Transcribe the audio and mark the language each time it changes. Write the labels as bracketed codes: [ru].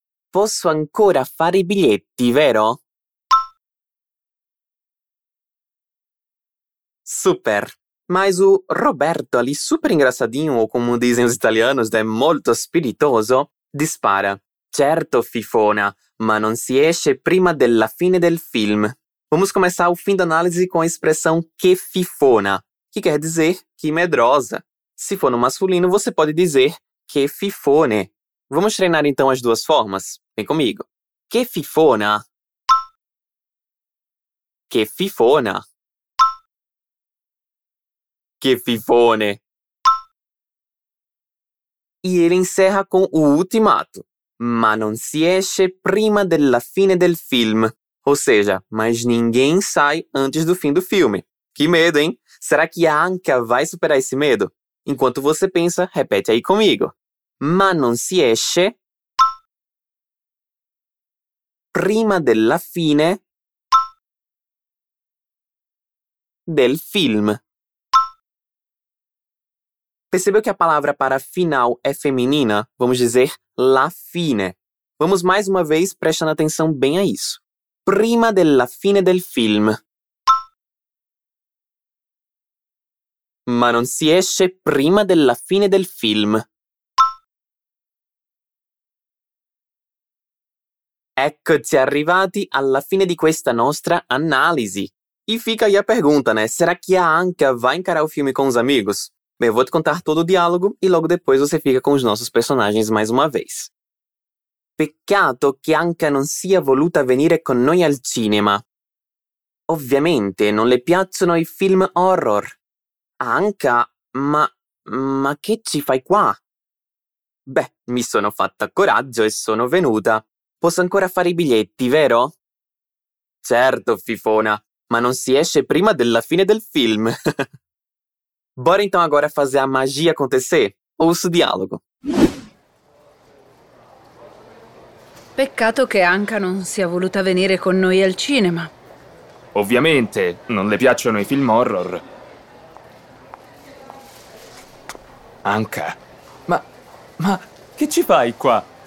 [it] Posso ancora fare i biglietti, vero? [pt] Super! Mas o Roberto ali, super engraçadinho, ou como dizem os italianos, é [it] molto spiritoso, [pt] Dispara. [it] Certo, fifona, ma non si esce prima della fine del film. [pt] Vamos começar o fim da análise com a expressão que fifona, que quer dizer que medrosa. Se for no masculino, você pode dizer que fifone. Vamos treinar então as duas formas? Vem comigo. Que fifona. Que fifona. Que fifone. E ele encerra com o ultimato. [it] Ma non si esce prima della fine del film. [pt] Ou seja, mas ninguém sai antes do fim do filme. Que medo, hein? Será que a Anka vai superar esse medo? Enquanto você pensa, repete aí comigo. [it] Ma non si esce prima della fine del film. [pt] Percebeu que a palavra para final é feminina? Vamos dizer la fine. Vamos mais uma vez prestando atenção bem a isso. [it] Prima della fine del film. Ma non si esce prima della fine del film. Eccoci arrivati alla fine di questa nostra analisi. [pt] E fica aí a pergunta, né? Será que a Anka vai encarar o filme com os amigos? Bem, eu vou te contar todo o diálogo e logo depois você fica com os nossos personagens mais uma vez. [it] Peccato che Anka non sia voluta venire con noi al cinema. Ovviamente non le piacciono i film horror. Anka, ma che ci fai qua? Beh, mi sono fatta coraggio e sono venuta. Posso ancora fare i biglietti, vero? Certo, fifona, ma non si esce prima della fine del film. [pt] Bora então agora fazer a magia acontecer? Ouça o diálogo. [it] Peccato che Anka non sia voluta venire con noi al cinema. Ovviamente, non le piacciono i film horror. Anka, ma che ci fai qua?